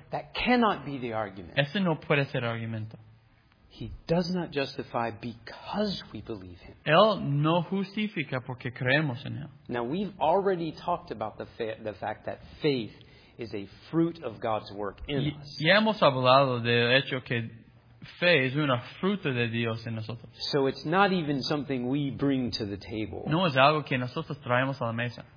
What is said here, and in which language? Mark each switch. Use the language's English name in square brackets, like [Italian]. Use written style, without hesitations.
[English] That cannot be the argument. [Spanish] Ese no puede ser argumento. [English] He does not justify because we believe him. [Spanish] Él no justifica porque creemos en él. [English] Now, we've already talked about the fact that faith is a fruit of God's work in us. [Spanish] Ya hemos hablado del hecho que fe es una fruta de Dios en nosotros. [English] So it's not even something we bring to the table. [Spanish] No es algo que nosotros traemos a la mesa.